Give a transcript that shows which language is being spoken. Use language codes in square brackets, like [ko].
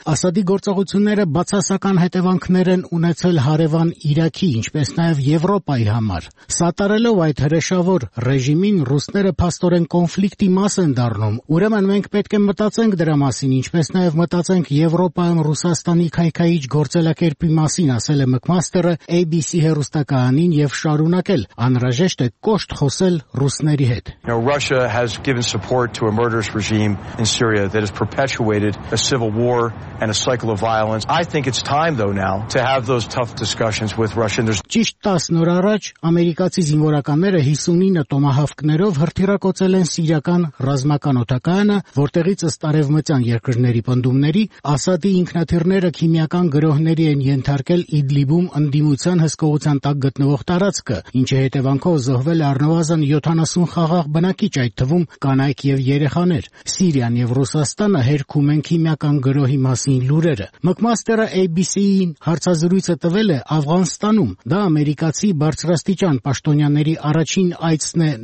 [hy] Ասադի գործողությունները բացասական հետևանքներ են ունեցել հարևան Իրաքի, ինչպես նաև Եվրոպայի համար։ Սատարելով այդ հրեշավոր ռեժիմին, ռուսները փաստորեն կոնֆլիկտի մաս են դառնում, ուրեմն մենք պետք է մտածենք դրա մասին, ինչպես նաև մտածենք Եվրոպայում Ռուսաստանի քայքայիչ գործելակերպի մասին, ասել է Մկմաստերը ABC հեռուստակահանին և շարունակել. Անհրաժեշտ է կոշտ խոսել ռուսների հետ. [en] Russia has given support to a murderous regime in Syria that has perpetuated a civil war and a cycle of violence. I think it's time though now to have those tough discussions with Russia. [hy] Ճիշտ 10 օր առաջ ամերիկացի զինվորականները 59 տոմահավքներով հրթիռակոծել են սիրական ռազմական օտակայանը, որտեղից ըստ արևմտյան երկրների պնդումների Ասադի ինքնաթիռները քիմիական գրոհների են ենթարկել Իդլիբում ընդդիմության հսկողության տակ գտնվող տարածքը, ինչի հետևանքով զոհվել առնվազն 70 խաղաղ բնակիչ, այդ թվում կանայք եւ երեխաներ։ Սիրիան եւ Ռուսաստանը հերքում են քիմիական գրոհի մասին լուրերը։ Մկմաստերը ABC-ին հարցազրույցը տվել է Աֆղանստանում։ Դա ամերիկացի բարձրաստիճան պաշտոնյաների առաջին այցն է